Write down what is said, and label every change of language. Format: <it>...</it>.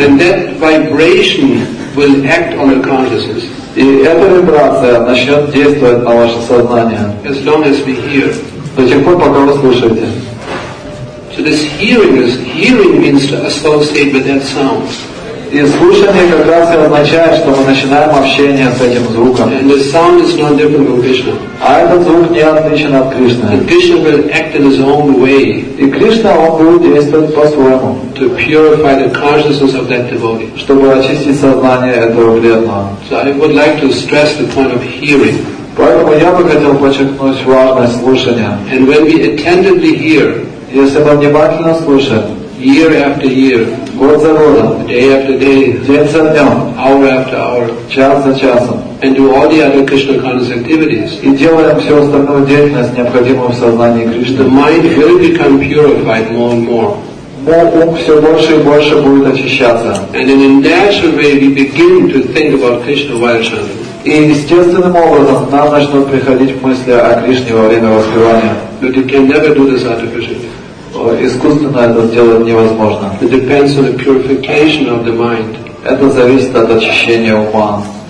<en>And that vibration will act on your consciousness.</en> <ru>И эта вибрация начнет действовать на ваше сознание.</ru> <en>As long as we hear.</en> <ru>До тех пор, пока вы слушаете.</ru> <en>So this hearing is hearing means to associate with that sound.</en> <ru>И слушание как раз и означает, что мы начинаем общение с этим звуком.</ru> <en>And the sound is not different from Krishna.</en> <ru>А этот звук не отличен от Кришны.</ru> <en>And Krishna will act in his own way.</en> <ru>И Кришна, он будет действовать по-своему.</ru> <en>To purify the consciousness of that devotee.</en> <ru>Чтобы очистить сознание этого преданного.</ru> <en>So I would like to stress the point of hearing.</en> <ru>Поэтому я бы хотел подчеркнуть важность слушания.</ru> <en>And when we attentively hear.</en> <ru>Если мы внимательно слушаем.</ru> <en>Year after year,</en> <ru>год за годом,</ru> <en>day after day,</en> <ru>день за днем,</ru> <en>hour after hour,</en> <ru>час за часом,</ru> <en>and do all the other Krishna conscious activities.</en> <ru>И делаем всю остальную деятельность, необходимую в сознании Кришны.</ru> <en>The mind will become purified more and more.</en> <ru>Ум все больше и больше будет очищаться.</ru> <en>And in a natural way, we begin to think about Krishna while chanting.</en> <ru>И естественным образом нам начнут приходить мысли о Кришне во время воспевания.</ru> <en>But you can never do this artificially.</en> <ru>Искусственно это сделать невозможно.</ru> <en>It depends on the purification of the mind.</en> <ru>Это зависит от очищения ума.</ru>